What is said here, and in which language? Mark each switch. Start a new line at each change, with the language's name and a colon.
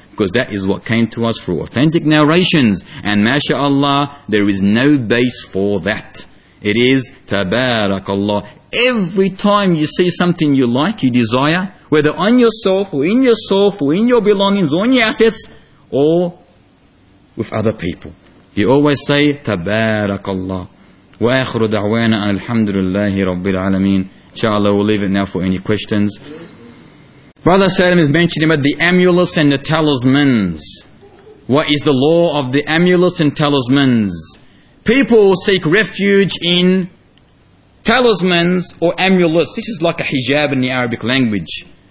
English: Because that is what came to us through authentic narrations. And masha'Allah, there is no base for that. It is tabarakallah. Every time you see something you like, you desire, whether on yourself or in yourself or in your belongings or in your assets or with other people, you always say tabarakallah.
Arabic: وآخر دعوانا أن الحمد لله رب العالمين.
English: Inshallah, we'll leave it now for any questions. Brother Salim is mentioning about the amulets and the talismans. What is the law of the amulets and talismans? People seek refuge in Talismans or amulets, this is like a hijab in the Arabic language.